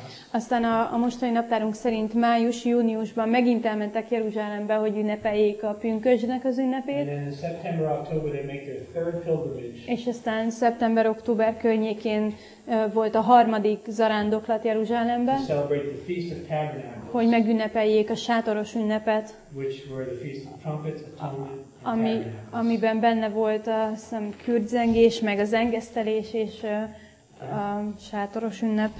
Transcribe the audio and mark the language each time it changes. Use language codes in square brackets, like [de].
[hu] Aztán a mostani naptárunk szerint május-júniusban megint elmentek Jeruzsálembe, hogy ünnepeljék a pünkösdnek az ünnepét. [en] And then September-October they make their third pilgrimage. [hu] És aztán szeptember-október környékén volt a harmadik zarándoklat Jeruzsálemben, [en] to celebrate the Feast of Tabernacles, [hu] hogy megünnepeljék a sátoros ünnepet, [en] which were the Feast of Trumpets, Atonement. [hu] Amiben benne volt a kürtzengés, meg a zengesztelés és a sátoros ünnep.